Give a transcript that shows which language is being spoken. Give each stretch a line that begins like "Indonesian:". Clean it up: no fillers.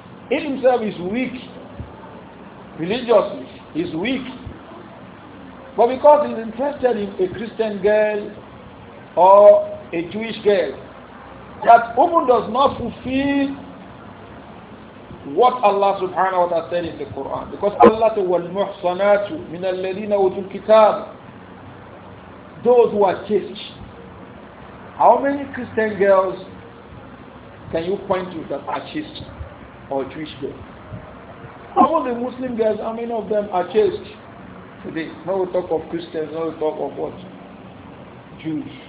English: He himself is weak. Religiously, he's weak. But because he's interested in a Christian girl, or a Jewish girl, that woman does not fulfill what Allah subhanahu wa ta'ala said in the Quran. Because Allah said,
Arabic: وَالْمُحْصَنَاتُ مِنَ الَّذِينَ أُوتُوا الْكِتَابِ.
English: Those who are chaste. How many Christian girls Can you point to that are chaste or Jewish girl? All the Muslim girls, how many of them are chaste today? Now we talk of Christians, now we talk of what? Jews.